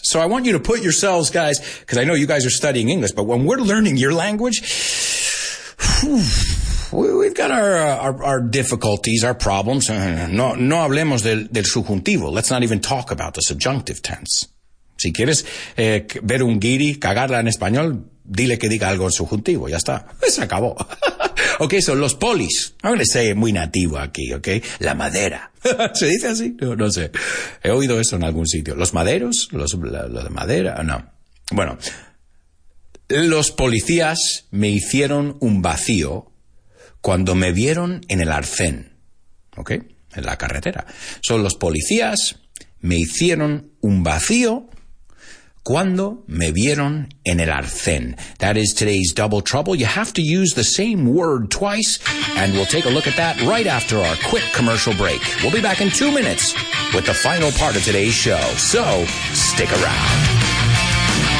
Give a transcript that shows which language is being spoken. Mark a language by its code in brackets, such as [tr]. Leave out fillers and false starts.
[en] So I want you to put yourselves, guys, because I know you guys are studying English, but when we're learning your language, we've got our difficulties, our problems. [es] No hablemos del subjuntivo. [en] Let's not even talk about the subjunctive tense. [es] Si quieres ver un guiri cagarla en español, dile que diga algo en subjuntivo. Ya está. Se acabó. Okay, so los polis. [en] I'm going to say it [es] muy nativo aquí, okay? La madera. ¿Se dice así? No sé. He oído eso en algún sitio. ¿Los maderos? ¿Los de madera? No. Bueno, los policías me hicieron un vacío cuando me vieron en el arcén, ¿ok? En la carretera. Son los policías me hicieron un vacío cuando me vieron en el arcén. [en] That is today's double trouble. You have to use the same word twice, and we'll take a look at that right after our quick commercial break. We'll be back in 2 minutes with the final part of today's show. So stick around.